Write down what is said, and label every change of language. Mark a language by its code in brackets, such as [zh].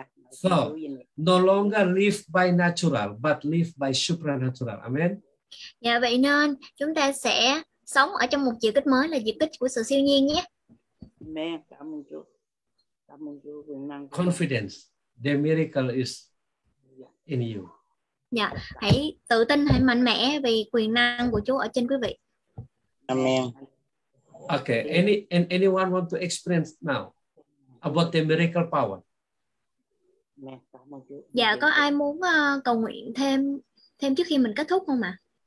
[en] So, no longer live by natural, but live by supernatural. Amen. [vi] Dạ vậy nên chúng ta sẽ sống ở trong một diệu kích mới là diệu kích của sự siêu nhiên nhé. Amen. Cảm ơn Chúa. Cảm ơn Chúa quyền năng. [en] Confidence, the miracle is in you. [vi] Dạ, hãy tự tin, hãy mạnh mẽ vì quyền năng của Chúa ở trên quý vị. [en] Amen. Okay. Anyone want to experience now about the miracle power? [vi] Dạ, có ai muốn cầu nguyện thêm trước khi mình kết thúc không ạ?